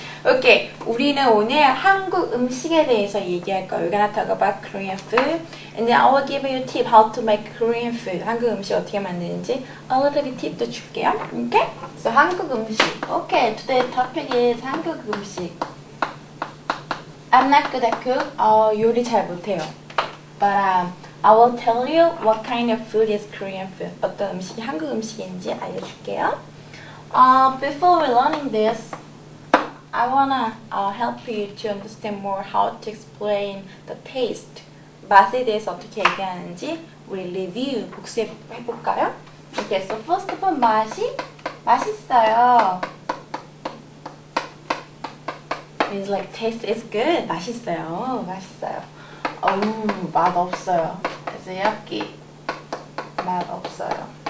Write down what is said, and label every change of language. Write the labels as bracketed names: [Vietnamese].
[Korean] Okay, 우리는 오늘 한국 음식에 대해서 얘기할 거예요. [English] We're gonna talk about Korean food. And then I will give you a tip how to make Korean food. [Korean] 한국 음식 어떻게 만드는지. [English] A little bit tip도 [Korean] 줄게요. [English] Okay? So, 한국 음식. Okay, today's topic is 한국 음식. I'm not good at cook. [Korean] 요리 잘 못해요. [English] But I will tell you what kind of food is Korean food. [Korean] 어떤 음식이 한국 음식인지 알려줄게요. [English] Before we learning this, I wanna help you to understand more how to explain the taste. [Korean] 맛에 대해서 어떻게 얘기하는지 우리 리뷰 복습해볼까요? [English] Okay, so first of all, [Korean] 맛이 맛있어요. [English] It's like taste is good. [Korean] 맛있어요. 맛있어요. 어우, 맛없어요. 그래서 여기 맛없어요.